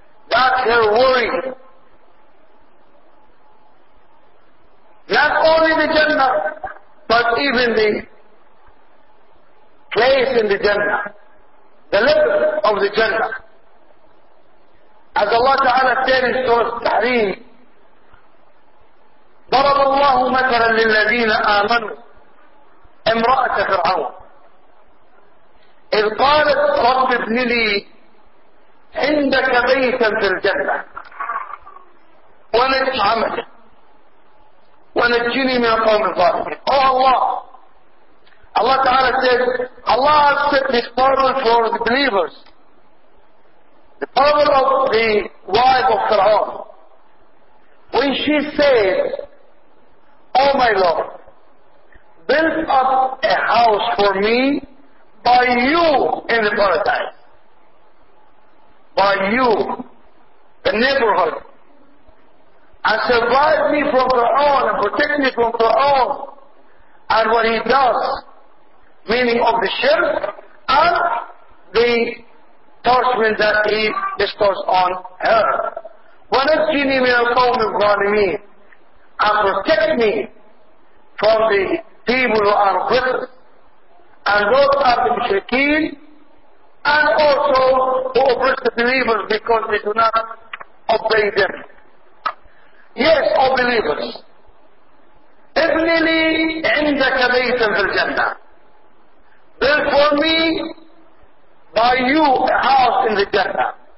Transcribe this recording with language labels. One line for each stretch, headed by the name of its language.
English: That's her worry. Not only the Jannah, but even the place in the Jannah. The level of the Jannah. As Allah Ta'ala said in Surah Al-Tahrim,
Arabic: ضَرَبَ اللَّهُ مَثَلًا لِلَّذِينَ آمَنُوا إِمْرَأَةَ فِرْعَوْنَ إِذْ قَالَتْ رَبِّ ابْنِ لِي عِنْدَكَ بَيْتًا فِي الْجَنَّةِ وَنَجِّنِي وَنَجِّنِي مِنَ الْقَوْمِ الظَّالِمِينَ.
English: Oh Allah! Allah Ta'ala said, Allah has set this parable for the believers. The power of the wife of Fir'aun, when she said, Oh my Lord, build up a house for me by you in the paradise. By you, the neighborhood. And survive me from Fir'aun and protect me from Fir'aun and what he does, meaning of the shirk and the torchment that he bestows on her.
Arabic: وَنَجِّنِي مِنَ الْقَوْمِ الظَّالِمِينَ
English: and protect me from the people who are with us, and those are the mushrikeen, and also who oppress the believers because they do not obey them. Yes, O believers,
Arabic: ibni li indaka baytan fil jannah,
English: build for me by you a house in the jannah.